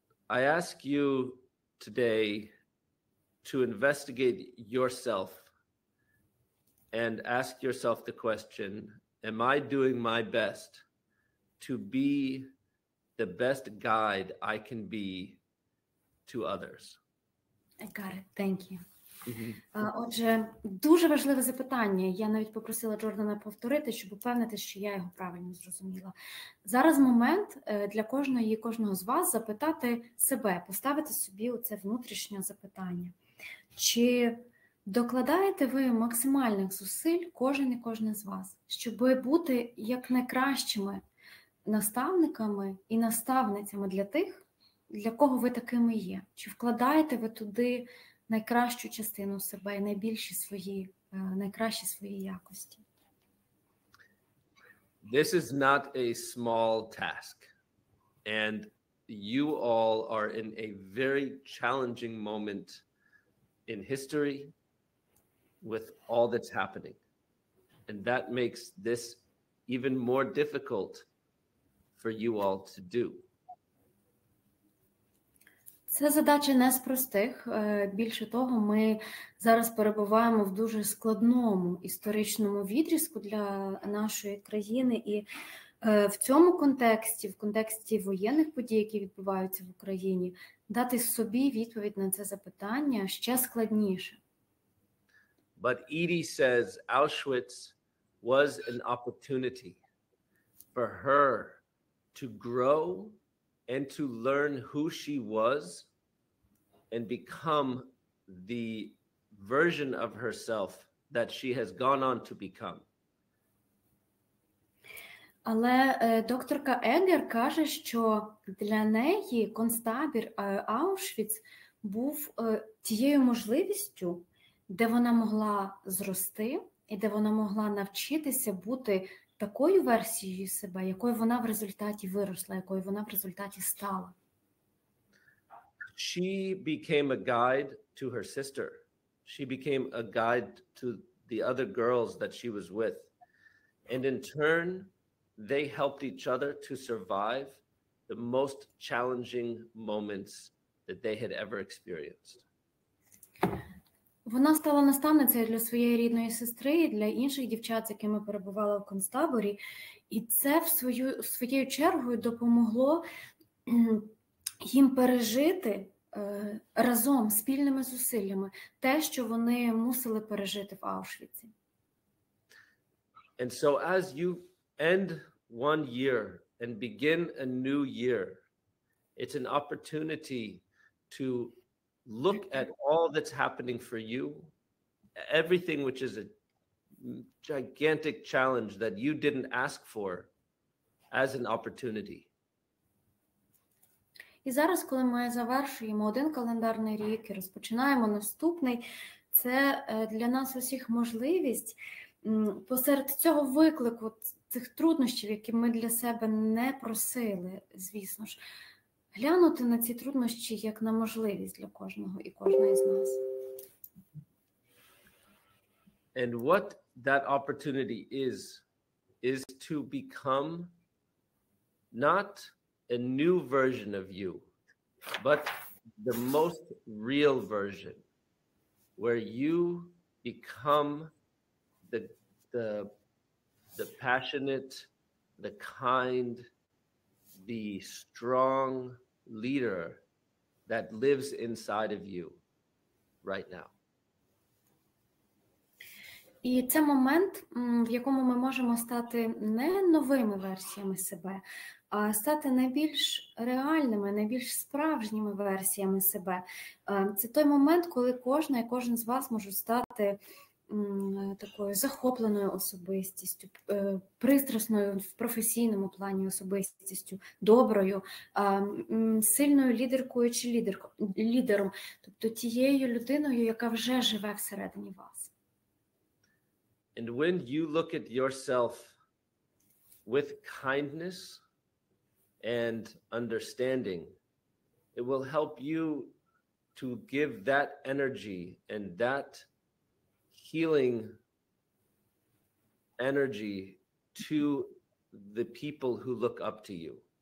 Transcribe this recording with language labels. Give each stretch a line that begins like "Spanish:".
English: I ask you today to investigate yourself and ask yourself the question, am I doing my best to be the best guide I can be to others? I got it. Thank you. Mm-hmm.
Ukrainian: Отже, дуже важливе запитання. Я навіть попросила Джордана повторити, щоб упевнитися, що я його правильно зрозуміла. Зараз момент для кожної і кожного з вас запитати себе, поставити собі оце внутрішнє запитання. Чи докладаєте ви максимальних зусиль, кожен і кожна з вас, щоб бути якнайкращими наставниками і наставницями для тих, для кого ви такими є? Чи вкладаєте ви туди найкращу частину себе, найкращі свої якості?
English: This is not a small task. And you all are in a very challenging moment in history with all that's happening. And that makes this even more difficult for you all to do.
Ukrainian: Це задача не з простих. Більше того, ми зараз перебуваємо в дуже складному історичному відрізку для нашої країни. І в цьому контексті, в контексті воєнних подій, які відбуваються в Україні, дати собі відповідь на це запитання ще складніше.
English: But Edie says Auschwitz was an opportunity for her to grow and to learn who she was and become the version of herself that she has gone on to become.
Ukrainian: Але докторка Егер каже, що для неї концтабір Аушвіц був тією можливістю, де вона могла зрости і де вона могла навчитися бути такою версією себе, якою вона в результаті виросла, якою вона в результаті стала.
English: She became a guide to her sister. She became a guide to the other girls that she was with. And in turn, they helped each other to survive the most challenging moments that they had ever experienced.
Ukrainian: Вона стала наставницею для своєї рідної сестри і для інших дівчат, з якими перебувала в концтаборі. І це своєю чергою допомогло їм пережити разом, спільними зусиллями, те, що вони мусили пережити в Аушвіці.
English: And so as you end one year and begin a new year, it's an opportunity to look at all that's happening for you, everything which is a gigantic challenge that you didn't ask for, as an opportunity.
Ukrainian: І зараз, коли ми завершуємо один календарний рік і розпочинаємо наступний, це для нас усіх можливість посеред цього виклику, цих труднощів, які ми для себе не просили, звісно ж, глянути на ці труднощі як на можливість для кожного і кожної з нас.
English: And what that opportunity is to become not a new version of you, but the most real version, where you become the passionate, the kind, the strong leader that lives inside of you right now.
Ukrainian: І це момент, в якому ми можемо стати не новими версіями себе, а стати найбільш реальними, найбільш справжніми версіями себе. Це той момент, коли кожна і кожен з вас може стати такою захопленою особистістю, пристрасною в професійному плані особистістю, доброю, сильною лідеркою чи лідером, тобто тією людиною, яка вже живе всередині вас.
English: And when you look at yourself with kindness and understanding, it will help you to give that energy and that healing energy to the people who look up to you.